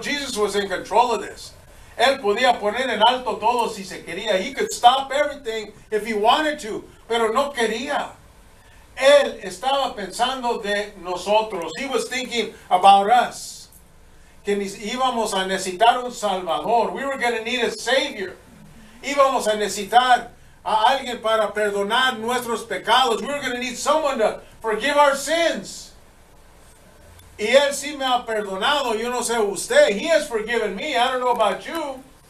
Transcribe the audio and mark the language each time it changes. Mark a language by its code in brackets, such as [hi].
[en] Jesus was in control of this. [es] Él podía poner en alto todo si se quería. [en] He could stop everything if he wanted to. [es] Pero no quería. Él estaba pensando de nosotros. [en] He was thinking about us. [es] Que íbamos a necesitar un salvador. [en] We were going to need a savior. [es] Íbamos a necesitar a alguien para perdonar nuestros pecados. [en] We were going to need someone to forgive our sins. [es] Y él sí me ha perdonado. Yo no sé usted. [en] He has forgiven me. I don't know about you.